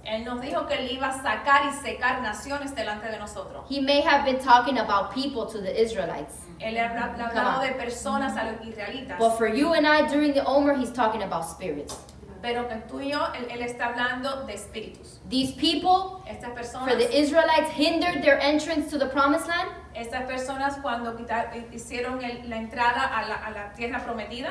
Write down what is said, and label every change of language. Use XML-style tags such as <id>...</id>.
<es>Él nos dijo que él iba a sacar y secar naciones delante de nosotros.</es> <en>He may have been talking about people to the Israelites.</en> <es>Él hablaba de personas a los israelitas.</es> <en>But for you and I during the Omer, he's talking about spirits.</en> <es>Pero que tú y yo, él está hablando de espíritus.</es> <en>These people,</en> <es>estas personas,</es> <en>for the Israelites, hindered their entrance to the Promised Land.</en> <es>Estas personas cuando hicieron la entrada a la tierra prometida.</es>